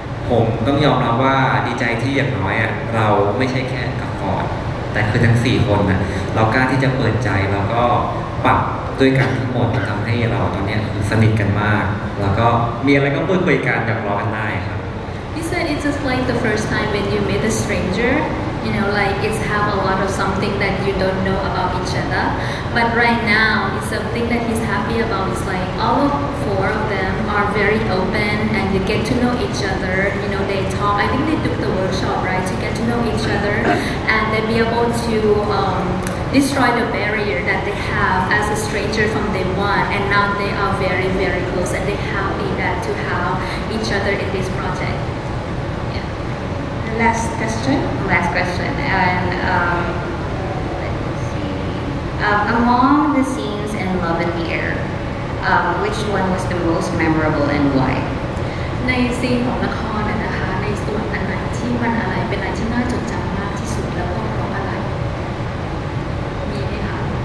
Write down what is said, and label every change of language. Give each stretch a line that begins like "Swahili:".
Thai: ผมต้องยอมรับว่าดีใจที่อย่างน้อยอ่ะเราไม่ใช่แค่กับฟอร์ดแต่คือทั้ง4คนน่ะเรากล้าที่จะเปิดใจแล้วก็ปรับด้วยกันทั้งหมดทำให้เราตอนนี้สนิทกันมากแล้วก็มีอะไรก็พูดคุยกันแบบรอกันได้ครับ
English: He said it's just like the first time when you meet a strangerYou know, like it's have a lot of something that you don't know about each other. But right now, it's something that he's happy about. It's like all of four of them are very open and they get to know each other. You know, they talk. I think they took the workshop, right, to get to know each other and then be able to destroy the barrier that they have as a stranger from day one. And now they are very, very close and they're happy that to have each other in this project. Last question, and let me see. Among the scenes in Love in the Air, which one was the most memorable and why?
Thai: ในซีนของละครนะคะในส่วนอันไหนที่มันอะไรเป็นอะไรที่น่าจดจำมากที่สุดแล้วก็เพราะอะไรมีไหมคะ